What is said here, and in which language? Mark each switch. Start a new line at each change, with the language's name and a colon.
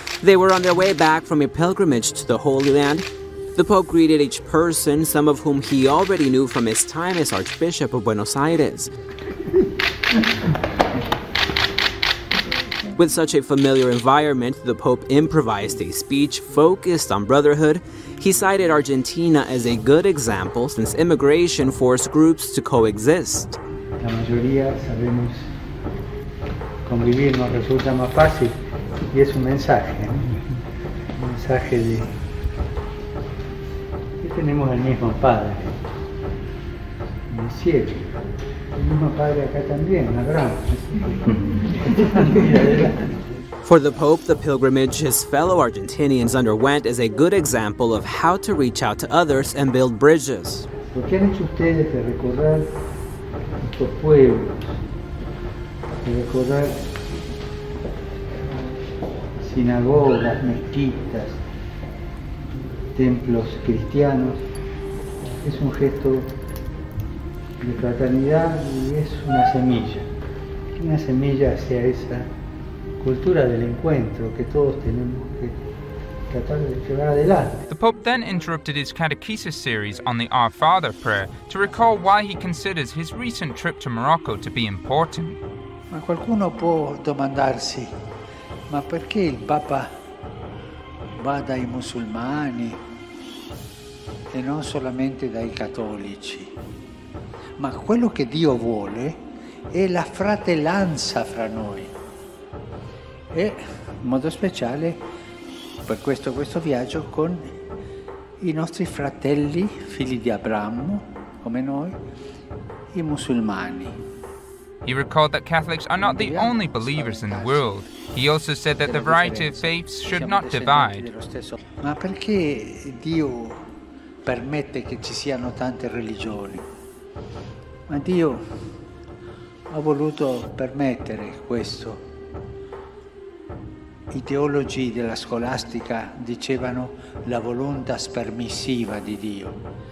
English: They were on their way back from a pilgrimage to the Holy Land. The Pope greeted each person, some of whom he already knew from his time as Archbishop of Buenos Aires. With such a familiar environment, the Pope improvised a speech focused on brotherhood. He cited Argentina as a good example since immigration forced groups to coexist.
Spanish: La mayoría sabemos convivir, nos resulta más fácil. Y es un mensaje de que tenemos el mismo Padre en el cielo.
English: For the Pope, the pilgrimage his fellow Argentinians underwent is a good example of how to reach out to others and build bridges.
Spanish: ¿Por qué han hecho ustedes de recordar estos pueblos, de recordar sinagogas, mezquitas, templos cristianos? Es un gesto de fraternidad y es una semilla hacia esa cultura del encuentro que todos tenemos que tratar de llevar adelante.
English: The Pope then interrupted his catechesis series on the Our Father prayer to recall why he considers his recent trip to Morocco to be important.
Italian: Ma qualcuno può domandarsi, ma perché il Papa va dai musulmani e non solamente dai cattolici? Ma quello che Dio vuole è la fratellanza fra noi. e in modo speciale per questo viaggio con i nostri fratelli, figli di Abramo, come noi, i musulmani.
English: He recalled that Catholics are not the only believers in the world. He also said that the variety of faiths should not divide.
Italian: Ma perché Dio permette che ci siano tante religioni? Ma Dio ha voluto permettere questo. I teologi della scolastica dicevano la volontà permissiva di Dio.